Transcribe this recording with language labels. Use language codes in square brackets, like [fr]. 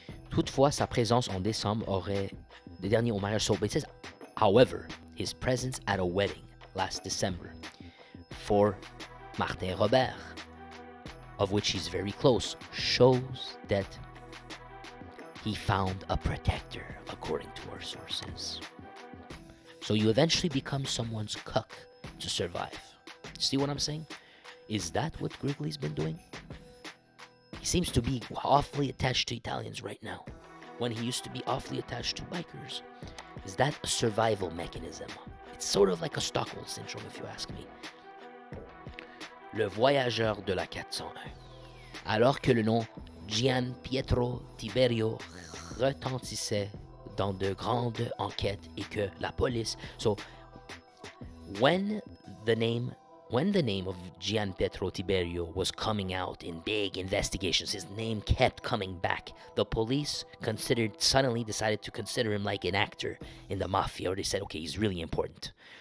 [fr] Toutefois, sa présence en décembre aurait le dernier hommage. [en] So, but it says, however, his presence at a wedding last December for Martin Robert, of which he's very close, shows that he found a protector, according to our sources. So you eventually become someone's cuck to survive. See what I'm saying? Is that what Grigley's been doing? He seems to be awfully attached to Italians right now, when he used to be awfully attached to bikers. Is that a survival mechanism? It's sort of like a Stockholm syndrome, if you ask me. [fr] Le voyageur de la 401. Alors que le nom Gian Pietro Tiberio retentissait dans de grandes enquêtes et que la police... [en] So, when the name of Gian Pietro Tiberio was coming out in big investigations, his name kept coming back. The police suddenly decided to consider him like an actor in the mafia, or they said, okay, he's really important.